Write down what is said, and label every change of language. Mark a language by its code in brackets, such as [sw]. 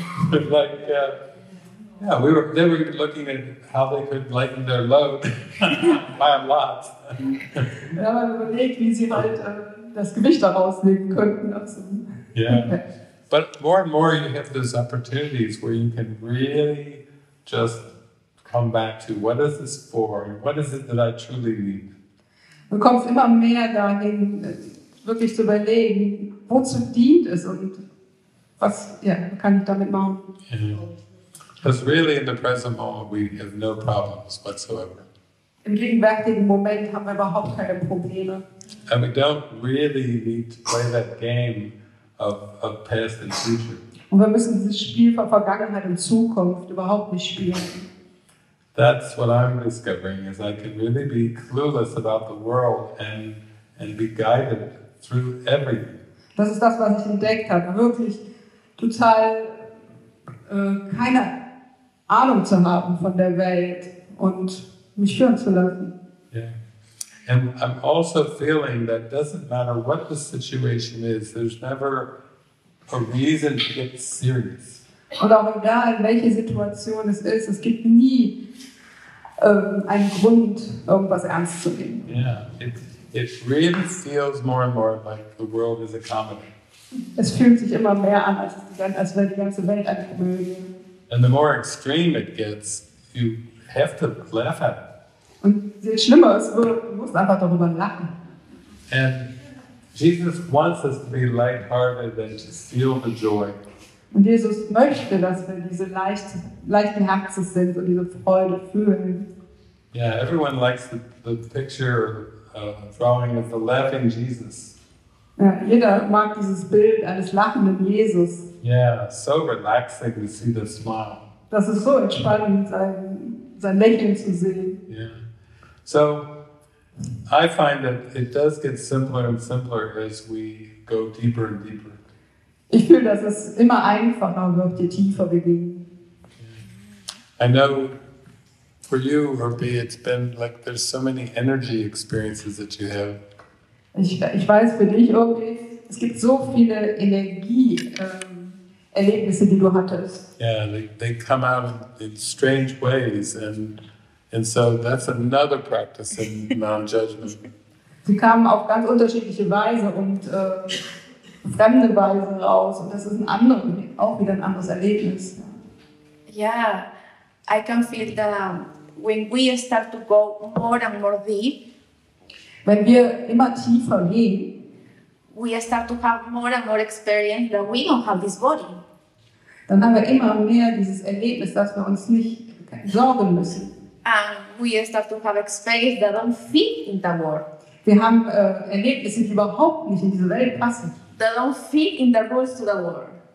[en] Like, yeah, they were looking at how they could lighten their load by a lot. [de] Wir haben überlegt, wie sie halt das Gewicht daraus nehmen könnten. [en] Yeah. But more and more you have those opportunities where you can really just come back to what is this for? What is it that I truly need? [de] Du kommst immer mehr dahin, wirklich zu überlegen, wozu dient es und was kann ich damit machen? [en] Because really in the present moment we have no problems whatsoever. [de] Im gegenwärtigen Moment haben wir überhaupt keine Probleme. [en] And we don't really need to play that game of past and future. [de] Und wir müssen dieses Spiel von Vergangenheit und Zukunft überhaupt nicht spielen. [en] That's what I'm discovering, is I can really be clueless about the world and be guided through everything. [de] Das ist das, was ich entdeckt habe, wirklich total keine Ahnung zu haben von der Welt und mich führen zu lassen. [en] Yeah. And I'm also feeling that doesn't matter what the situation is, there's never a reason to get serious. [de] Und auch egal, welche Situation es ist, es gibt nie einen Grund, irgendwas ernst zu nehmen. [en] Yeah, it really feels more and more like the world is a comedy. [de] Es fühlt sich immer mehr an, als wäre die ganze Welt eine Komödie. [en] And the more extreme it gets, you have to laugh at it. [de] Und je schlimmer es wird, du musst einfach darüber lachen. [en] And Jesus wants us to be lighthearted and to feel the joy. [de] Und Jesus möchte, dass wir diese leichten Herzens sind und diese Freude fühlen. [en] Yeah, everyone likes the picture drawing of the laughing Jesus. [de] Ja, jeder mag dieses Bild eines lachenden Jesus. [en] Yeah, so relaxing to see the smile. [de] Das ist so entspannend, sein Lächeln zu sehen. [en] Yeah. So, I find that it does get simpler and simpler as we go deeper and deeper. [de] Ich fühle, dass es immer einfacher wird, je tiefer wir gehen. [en] I know for you, Ruby, it's been like there's so many energy experiences that you have. [de] Ich weiß für dich, Ruby, es gibt so viele Energieerlebnisse, die du hattest. [en] Yeah, they come out in strange ways and so that's another practice in non-judgment. [de] Sie kamen auf ganz unterschiedliche Weise und fremde Weise raus und das ist ein anderes, auch wieder ein anderes Erlebnis. [en] Yeah, I can feel that when we start to go more and more deep, [de] wenn wir immer tiefer gehen, [en] we start to have more and more experience that we don't have this body. [de] Dann haben wir immer mehr dieses Erlebnis, dass wir uns nicht sorgen müssen. [en] And we start to have experience that don't fit in the world. [de] Wir haben Erlebnisse, die überhaupt nicht in diese Welt passen. [en] That don't fit in the rules to the world.